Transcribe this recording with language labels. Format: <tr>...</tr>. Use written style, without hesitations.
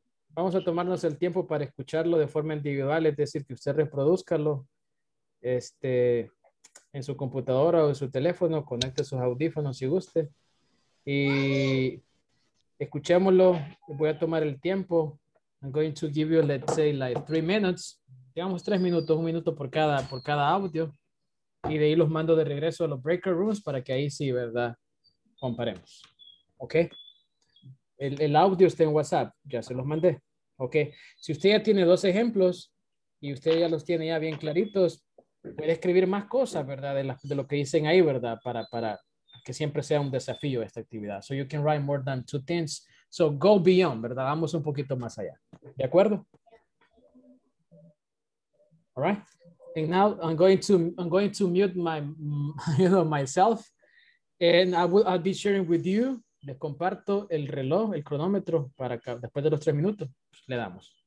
<es>Vamos a tomarnos el tiempo para escucharlo de forma individual, es decir, que usted reproduzcalo en su computadora o en su teléfono, conecte sus audífonos si guste. Y... escuchémoslo, voy a tomar el tiempo.</es> <en>I'm going to give you, let's say, like 3 minutes.</en> <es>Digamos 3 minutos, 1 minuto por cada audio. Y de ahí los mando de regreso a los breakout rooms para que ahí sí, ¿verdad? Comparemos. ¿Ok? el audio está en WhatsApp, ya se los mandé. Ok, si usted ya tiene dos ejemplos y usted ya los tiene ya bien claritos, puede escribir más cosas, ¿verdad? De lo que dicen ahí, ¿verdad? Para que siempre sea un desafío esta actividad.</es> <en>So you can write more than two things. So go beyond,</en> <es>¿verdad? Vamos un poquito más allá. ¿De acuerdo?</es> <en>All right. And now I'm going to mute myself and I'll be sharing with you.</en> <es>Les comparto el reloj, el cronómetro para acá. Después de los tres minutos pues, le damos.</es>